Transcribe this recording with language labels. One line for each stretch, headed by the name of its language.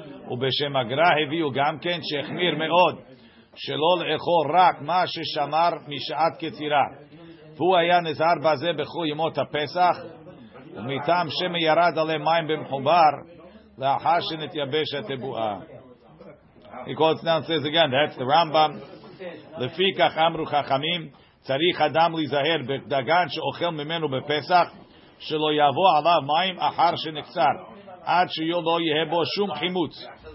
Hebrew: ובשם הגרא הביאו גם כן שהחמיר מאוד. שלא לאכול רק מה ששמר משעת קצירה. והוא היה נזהר בזה בכל ימות הפסח. ומטעם שמי ירד עליהם מים במחובר לאחר שנתייבש התבועה.
English: He calls now and says again, that's the Rambam.
Hebrew: לפי כך אמרו חכמים, צריך אדם להיזהר בדגן שאוכל ממנו בפסח, שלא יבוא עליו מים אחר שנקצר, עד שלא יהיה בו שום חימוץ.